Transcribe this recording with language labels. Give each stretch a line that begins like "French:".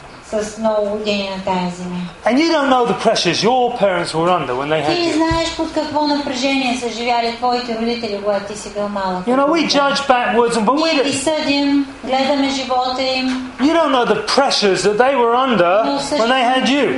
Bulgarian: С много години на тази земя.
English: And you don't know the pressures your parents were under when they had you.
Bulgarian: Ти знаеш под какво напрежение са живяли твоите родители, когато ти си бил малък.
English: You know, we judge backwards, but we
Bulgarian: ги съдим, гледаме живота им.
English: You don't know the pressures that they were under when they had you.